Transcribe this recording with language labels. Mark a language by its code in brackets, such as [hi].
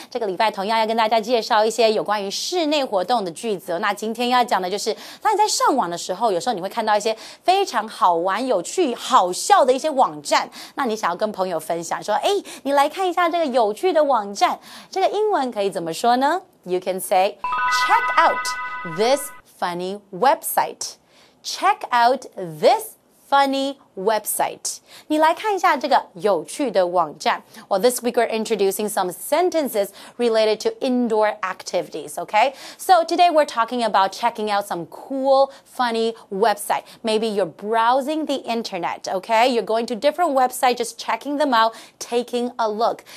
[zh] 这个礼拜同样要跟大家介绍一些有关于室内活动的句子。那今天要讲的就是，当你在上网的时候，有时候你会看到一些非常好玩、有趣、好笑的一些网站。那你想要跟朋友分享说，诶，你来看一下这个有趣的网站。这个英文可以怎么说呢？ [en] You can say, check out this funny website. Check out this funny website. [zh] 你来看一下这个有趣的网站。 [en] Well, this week we're introducing some sentences related to indoor activities, okay? So today we're talking about checking out some cool, funny website. Maybe you're browsing the internet, okay? You're going to different websites, just checking them out, taking a look.